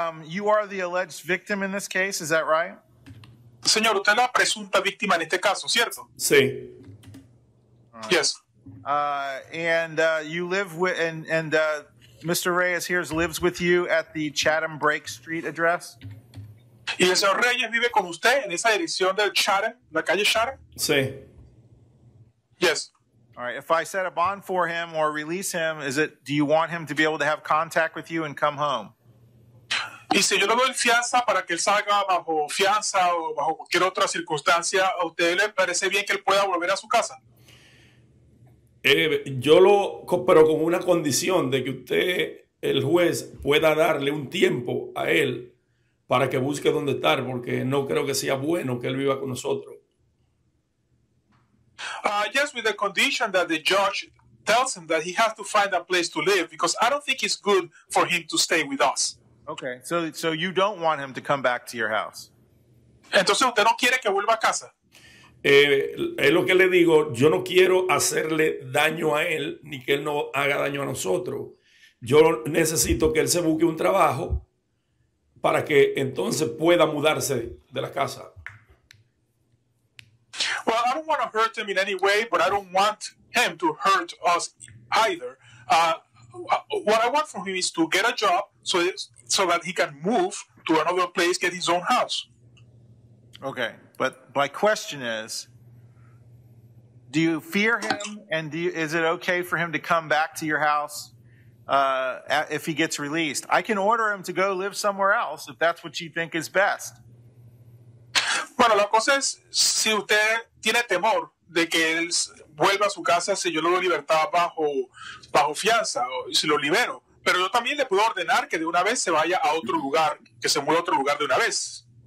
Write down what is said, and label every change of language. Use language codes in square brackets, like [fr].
[en] You are the alleged victim in this case. Is that right? [es] Señor, usted es la presunta víctima en este caso, ¿cierto? Sí. [en] All right. Yes. You live with Mr. Reyes here lives with you at the Chatham Brake Street address. [es] ¿Y el señor Reyes vive con usted en esa dirección del Chatham, la calle Chatham? Sí. [en] Yes. All right. If I set a bond for him or release him, do you want him to be able to have contact with you and come home? [es] ¿Y si yo le doy fianza para que él salga bajo fianza o bajo cualquier otra circunstancia, a usted le parece bien que él pueda volver a su casa? Pero con una condición de que usted, el juez, pueda darle un tiempo a él para que busque dónde estar, porque no creo que sea bueno que él viva con nosotros. [en] Yes, with the condition that the judge tells him that he has to find a place to live, because I don't think it's good for him to stay with us. Okay, so you don't want him to come back to your house. [es] Entonces usted no quiere que vuelva a casa. Es lo que le digo, yo no quiero hacerle daño a él ni que él no haga daño a nosotros. Yo necesito que él se busque un trabajo para que entonces pueda mudarse de la casa. [en] Well, I don't want to hurt him in any way, but I don't want him to hurt us either. What I want from him is to get a job so that he can move to another place, get his own house. Okay. But my question is, do you fear him, and is it okay for him to come back to your house if he gets released? I can order him to go live somewhere else if that's what you think is best. [es] Bueno, la cosa es, si usted tiene temor de que él vuelva a su casa, si yo lo doy libertad bajo fianza, o si lo libero. Pero yo también le puedo ordenar que de una vez se vaya a otro lugar, que se mueva a otro lugar de una vez.